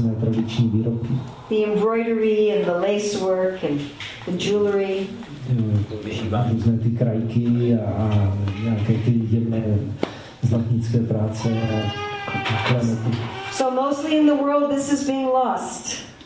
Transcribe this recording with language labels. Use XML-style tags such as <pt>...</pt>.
<en>The embroidery and the lace work and the jewelry.</en> <cs>Různé ty krajky a nějaké ty jemné zlatnické práce a klenoty.</cs> <en>So mostly in the world this is being lost.</en>